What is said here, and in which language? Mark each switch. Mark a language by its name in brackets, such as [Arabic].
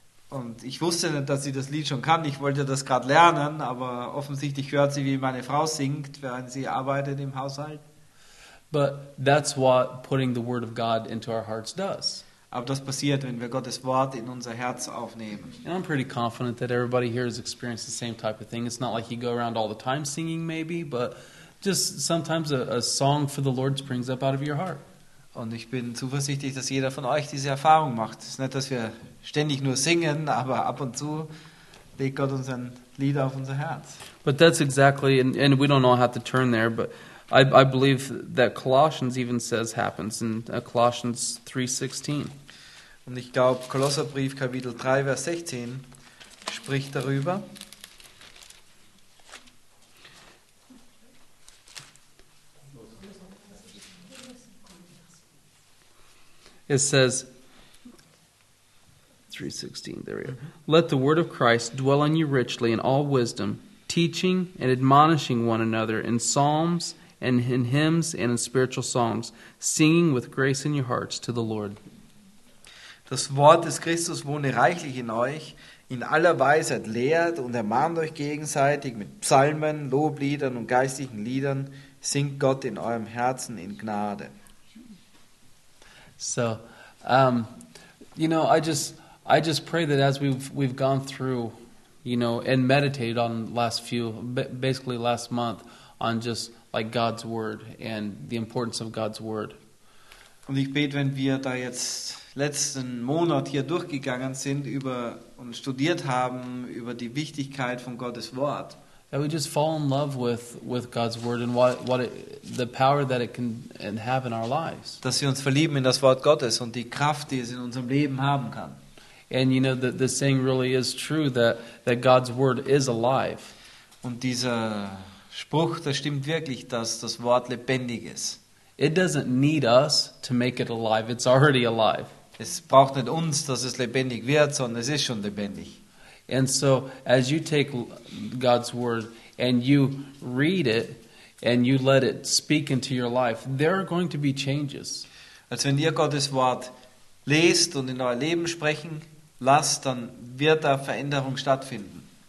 [German] Und ich wusste nicht, dass sie das Lied schon kann. Ich wollte das gerade lernen, aber offensichtlich hört sie, wie meine Frau singt, während sie arbeitet im Haushalt. [English] But that's what putting the word of God into our hearts does. [German] Aber das passiert, wenn wir Gottes Wort in unser Herz aufnehmen. [English] And I'm pretty confident that everybody here has experienced the same type of thing. It's not like you go around all the time singing, maybe, but just sometimes a song for the Lord springs up out of your heart. [German] Und ich bin zuversichtlich, dass jeder von euch diese Erfahrung macht. Es ist nicht, dass wir ständig nur singen, aber ab und zu legt Gott uns ein Lied auf unser Herz. [English] But that's exactly, and we don't all have to turn there, but I believe that Colossians even says happens in Colossians 3:16. [German] Und ich glaube, Kolosserbrief Kapitel 3 Vers 16 spricht darüber. [English] It says 3:16, there we are. Let the word of Christ dwell on you richly in all wisdom, teaching and admonishing one another in psalms and in hymns and in spiritual songs, singing with grace in your hearts to the Lord. [German] Das Wort des Christus wohne reichlich in euch, in aller Weisheit lehrt und ermahnt euch gegenseitig mit Psalmen, Lobliedern und geistlichen Liedern, singt Gott in eurem Herzen in Gnade. [English] So, you know, I just pray that as we've gone through, you know, and meditated on last month on just like God's word and the importance of God's word. [German] Und ich bete, wenn wir da jetzt letzten Monat hier durchgegangen sind über und studiert haben über die Wichtigkeit von Gottes Wort. [English] That we just fall in love with God's word and what it, the power that it can and have in our lives. [German] Dass wir uns verlieben in das Wort Gottes und die Kraft, die es in unserem Leben haben kann. [English] And you know the saying really is true that God's word is alive. [German] Und dieser Spruch, das stimmt wirklich, dass das Wort lebendig ist. [English] It doesn't need us to make it alive. It's already alive. [German] Es braucht nicht uns, dass es lebendig wird, sondern es ist schon lebendig. [English] And so as you take God's word and you read it and you let it speak into your life, there are going to be changes. [German] Als wenn ihr Gottes Wort lest und in euer Leben sprechen lasst, dann wird da Veränderung stattfinden.